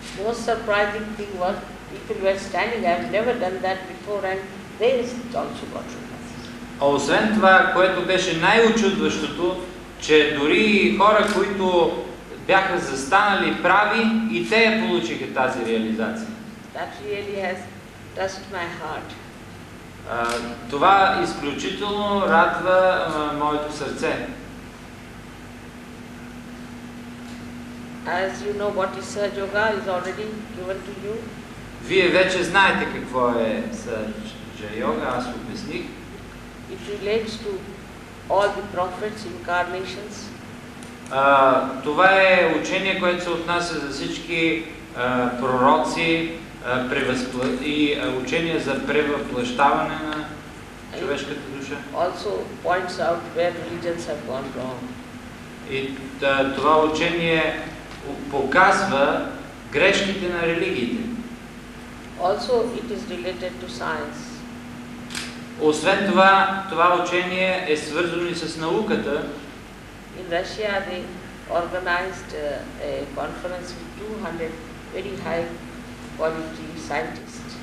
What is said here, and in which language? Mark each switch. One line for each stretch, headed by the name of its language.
English: Most surprising thing was, people were standing, I have never done that before, and they also got realization.
Bulgarian: А освен това, което беше най-очудващото, че дори хора, които бяха застанали прави, и те я получиха тази реализация.
English: That really has touched my heart.
Bulgarian: Това изключително радва моето сърце.
English: As you know, what is Surge Yoga is already given to you.
Bulgarian: Вие вече знаете какво е Surge Yoga, аз обясних.
English: It relates to all the prophets' incarnations.
Bulgarian: Това е учение, което се отнася за всички пророци и учение за превъплъщаване на човешката душа.
English: Also points out where religions have gone wrong.
Bulgarian: И това учение показва грешките на религиите.
English: Also it is related to science.
Bulgarian: Освен това, това учение е свързано и с науката.
English: In Russia they organized a conference with 200 very high quality scientists.